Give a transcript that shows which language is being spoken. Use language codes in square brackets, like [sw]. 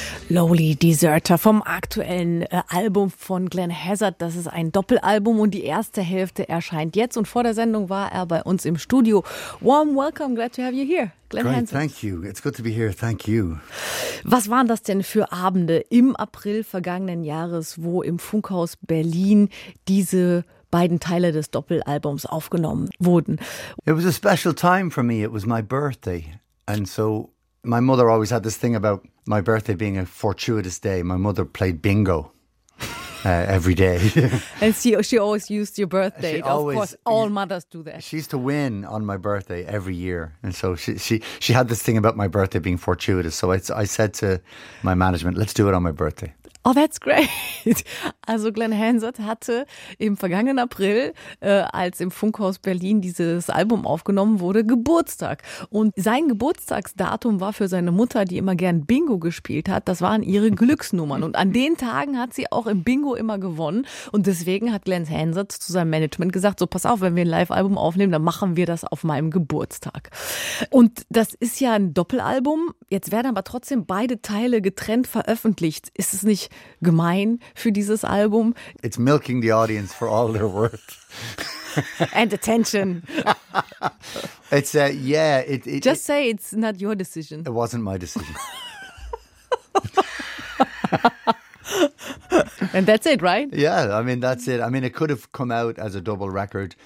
[de] Lowly Deserter vom aktuellen Album von Glenn Hazard. Das ist ein Doppelalbum und die erste Hälfte erscheint jetzt. Und vor der Sendung war er bei uns im Studio. [en] Warm welcome, glad to have you here, Glenn Great, Hazard. Thank you, it's good to be here, thank you. [de] Was waren das denn für Abende im April vergangenen Jahres, wo im Funkhaus Berlin diese beiden Teile des Doppelalbums aufgenommen wurden? [en] It was a special time for me, it was my birthday and so... My mother always had this thing about my birthday being a fortuitous day. My mother played bingo every day. And she always used your birthday. She of always, course, all mothers do that. She used to win on my birthday every year. And so she had this thing about my birthday being fortuitous. So I said to my management, let's do it on my birthday. Oh, that's great. [de] Also Glenn Hansard hatte im vergangenen April, als im Funkhaus Berlin dieses Album aufgenommen wurde, Geburtstag. Und sein Geburtstagsdatum war für seine Mutter, die immer gern Bingo gespielt hat, das waren ihre Glücksnummern. Und an den Tagen hat sie auch im Bingo immer gewonnen. Und deswegen hat Glenn Hansard zu seinem Management gesagt, so pass auf, wenn wir ein Live-Album aufnehmen, dann machen wir das auf meinem Geburtstag. Und das ist ja ein Doppelalbum. Jetzt werden aber trotzdem beide Teile getrennt veröffentlicht. Ist es nicht gemein für dieses Album? [en] It's milking the audience for all their worth. And attention. It's yeah. It, just say it's not your decision. It wasn't my decision. And that's it, right? Yeah, I mean, that's it. I mean, it could have come out as a double record.